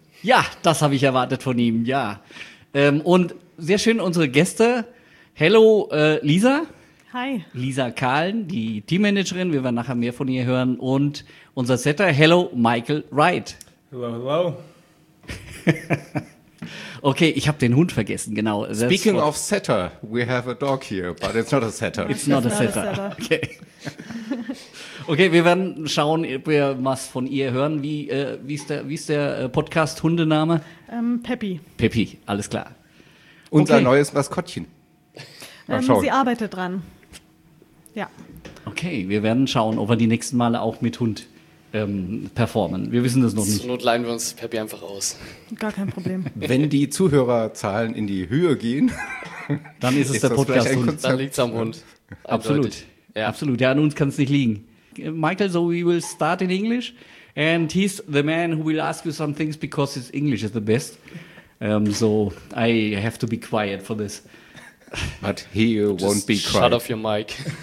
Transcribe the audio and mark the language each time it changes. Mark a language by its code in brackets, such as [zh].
[de] Ja, das habe ich erwartet von ihm, ja. Und sehr schön unsere Gäste. [en] Hello, Lisa. Hi. [de] Lisa Kahlen, die Teammanagerin, wir werden nachher mehr von ihr hören. Und unser Setter, hello, Michael Wright. [en] Hello. [de] Okay, ich habe den Hund vergessen, genau. [en] Speaking of Setter, we have a dog here, but it's not a Setter. It's not a Setter. [de] Okay, wir werden schauen, ob wir was von ihr hören. Wie ist der Podcast-Hundename? Peppi. Peppi, alles klar. Unser neues Maskottchen. Sie arbeitet dran. Ja. Okay, wir werden schauen, ob wir die nächsten Male auch mit Hund performen. Wir wissen das noch nicht. Zur Not leihen wir uns Peppi einfach aus. Gar kein Problem. Wenn die Zuhörerzahlen in die Höhe gehen, dann ist es ist der Podcast-Hund. Dann liegt es am Hund. Eindeutig. Absolut. Ja. Absolut. Ja, an uns kann es nicht liegen. [en] Michael, so we will start in English. And he's the man who will ask you some things because his English is the best. So I have to be quiet for this. But he won't be quiet. Shut off your mic.